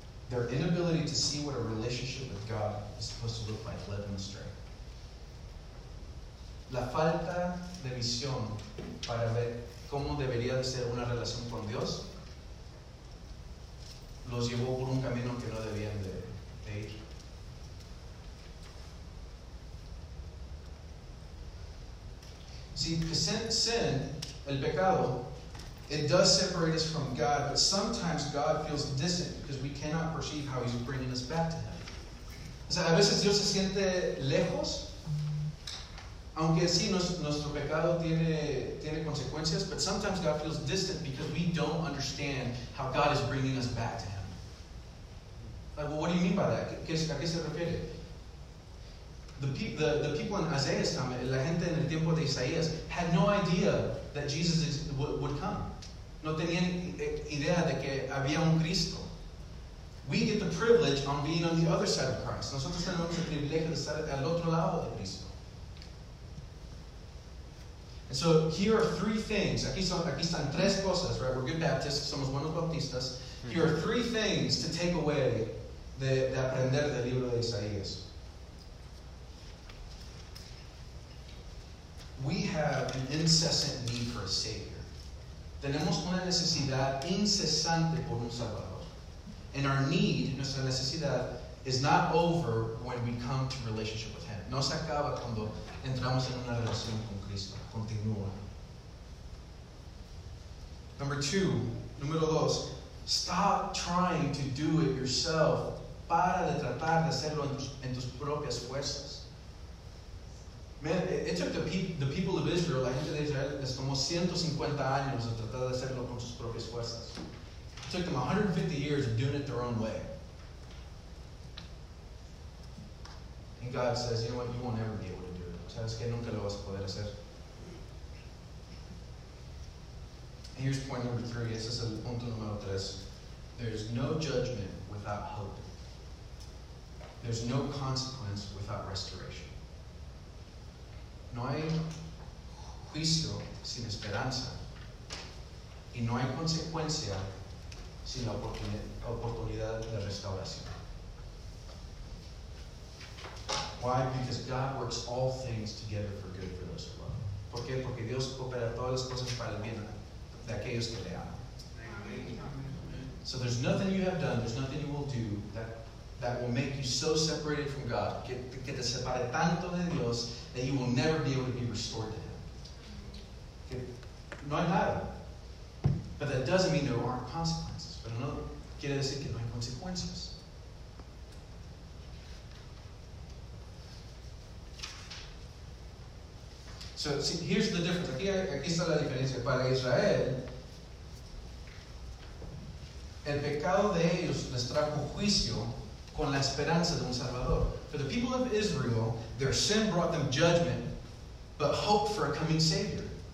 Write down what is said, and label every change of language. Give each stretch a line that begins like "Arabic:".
English: Their inability to see what a relationship with God is supposed to look like led them astray.
Spanish: La falta de visión para ver cómo debería de ser una relación con Dios los llevó por un camino que no debían de ir.
English: See, sin,
Spanish: el pecado,
English: it does separate us from God, but sometimes God feels distant because we cannot perceive how he's bringing us back to him.
Spanish: O sea, a veces Dios se siente lejos, aunque sí, nuestro pecado tiene consecuencias,
English: but sometimes God feels distant because we don't understand how God is bringing us back to him. Like, well, what do you mean by that?
Spanish: ¿A qué se refiere?
English: The people in Isaiah's time,
Spanish: la gente en el tiempo de Isaías,
English: had no idea that Jesus would come.
Spanish: No tenían idea de que había un Cristo.
English: We get the privilege on being on the other side of Christ.
Spanish: Nosotros tenemos el privilegio de estar al otro lado de Cristo.
English: And so here are three things.
Spanish: Aquí están tres cosas,
English: right? We're good Baptists.
Spanish: Somos buenos bautistas.
English: Here are three things to take away
Spanish: de aprender del libro de Isaías.
English: We have an incessant need for a Savior.
Spanish: Tenemos una necesidad incesante por un Salvador.
English: And our need,
Spanish: nuestra necesidad,
English: is not over when we come to relationship with Him.
Spanish: No se acaba cuando entramos en una relación con Cristo. Continúa. Número dos.
English: Stop trying to do it yourself.
Spanish: Para de tratar de hacerlo en tus propias fuerzas.
English: Man, it took the people of Israel,
Spanish: la gente de Israel, les tomó 150 años de tratar de hacerlo con sus propias fuerzas.
English: It took them 150 years of doing it their own way. And God says, you know what, you won't ever be able to do it.
Spanish: ¿Sabes qué? Nunca lo vas a poder hacer.
English: And here's point number three.
Spanish: Ese es el punto número tres.
English: There's no judgment without hope. There's no consequence without restoration.
Spanish: No hay juicio sin esperanza. Y no hay consecuencia sin la oportunidad de restauración.
English: Why? Because God works all things together for good for those who love.
Spanish: ¿Por qué? Porque Dios opera todas las cosas para el bien de aquellos que le aman.
English: So there's nothing you have done, there's nothing you will do that will make you so separated from God,
Spanish: que te separe tanto de Dios,
English: that you will never be able to be restored to Him.
Spanish: Que no hay nada.
English: But that doesn't mean there aren't consequences.
Spanish: Pero no quiere decir que no hay consecuencias.
English: So see, here's the difference.
Spanish: Aquí está la diferencia. Para Israel, el pecado de ellos les trajo juicio con la esperanza de un Salvador.
English: For the people of Israel, their sin brought them judgment, but hope for a coming Savior.